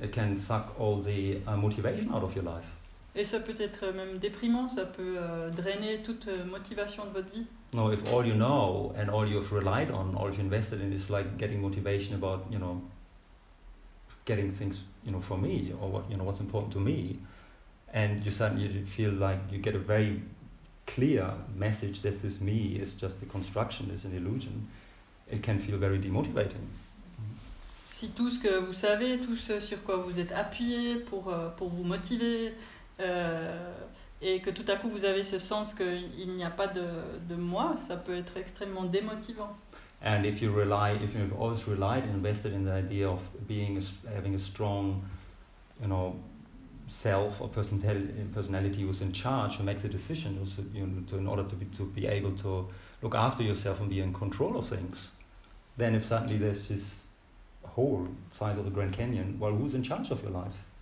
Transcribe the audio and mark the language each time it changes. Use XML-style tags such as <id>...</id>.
<en>It can suck all the motivation out of your life.</en> <fr>Et ça peut être même déprimant. Ça peut drainer toute motivation de votre vie.</fr> <en>No, if all you know and all you've relied on, all you've invested in, is like getting motivation about, you know, getting things, you know, for me or what, you know, what's important to me, and you suddenly feel like you get a very clear message that this me is just a construction, is an illusion, it can feel very demotivating.</en> <fr>Si tout ce que vous savez, tout ce sur quoi vous êtes appuyé pour vous motiver, et que tout à coup vous avez ce sens qu'il n'y a pas de moi, ça peut être extrêmement démotivant.</fr> <en>And if you rely, if you've always relied and invested in the idea of being, having a strong, you know, self or personality who's in charge, who makes a decision, also, you know, to, in order to be able to look after yourself and be in control of things, then if suddenly there's this whole size of the Grand Canyon, well, who's in charge of your life?</en>